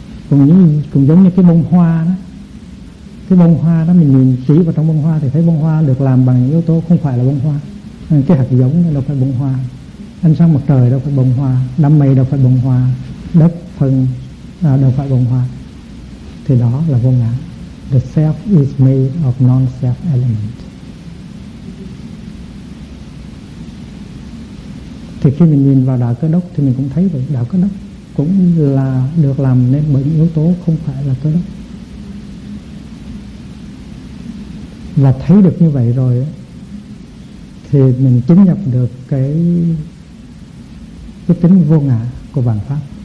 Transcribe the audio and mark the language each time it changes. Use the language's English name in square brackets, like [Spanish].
[Vietnamese] Cũng giống như cái bông hoa đó. Cái bông hoa đó mình nhìn kỹ vào trong bông hoa thì thấy bông hoa được làm bằng những yếu tố không phải là bông hoa. Cái hạt giống đâu phải bông hoa, ánh sáng mặt trời đâu phải bông hoa, đám mây đâu phải bông hoa, đất phân đâu phải bông hoa. Thì đó là vô ngã. [English] The self is made of non-self element. [Vietnamese] Thì khi mình nhìn vào đạo Cơ Đốc thì mình cũng thấy vậy. Đạo Cơ Đốc cũng là được làm nên bởi những yếu tố không phải là Cơ Đốc. Và thấy được như vậy rồi thì mình chứng nhập được cái tính vô ngã của vạn pháp.